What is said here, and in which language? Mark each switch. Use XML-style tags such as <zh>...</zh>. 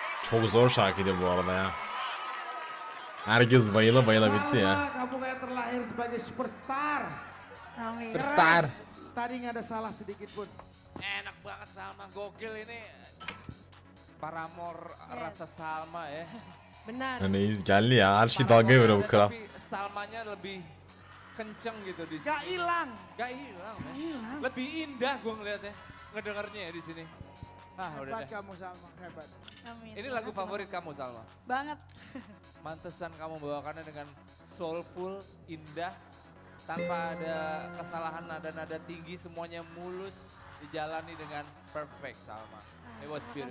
<tr>Çok zor şarkıydı bu arada ya. Herkes bayıla bayıla bitti ya.</tr> <id>Salma, kamu kayak terlahir sebagai superstar. Amin. Superstar. Tadi gak ada salah sedikit pun. Enak banget Salma, gokil ini. Paramor yes. Rasa Salma ya. Benar. Ini geli ya,</id> <tr>her şey dalga yapıyor bu kral.</tr> <id>Salmanya lebih kenceng gitu di sini. Gak hilang. Gak hilang. Gak hilang. Lebih indah gue ngeliatnya, ngedengarnya ya di sini. Ah, hebat kamu Salma, hebat. Amin. Ini lagu favorit kamu Salma. Banget. Mantesan kamu bawakannya dengan soulful, indah, tanpa ada kesalahan nada-nada tinggi, semuanya mulus dijalani dengan perfect Salma.</id> <en>It was beautiful.</en>